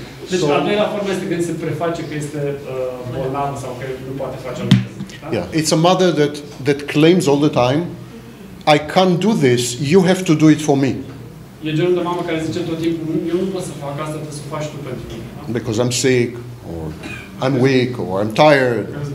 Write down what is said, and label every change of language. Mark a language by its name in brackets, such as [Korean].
[Romanian] Deci, al doilea formă este când se preface că este bolnav sau că nu poate face lucrurile. [English] Yeah, it's a mother that claims all the time, I can't do this, you have to do it for me. [Romanian] E genul de mamă care zice tot timpul, eu nu pot să fac asta, trebuie să o faci tu pentru mine. [English] Because I'm sick, or I'm weak, or I'm tired.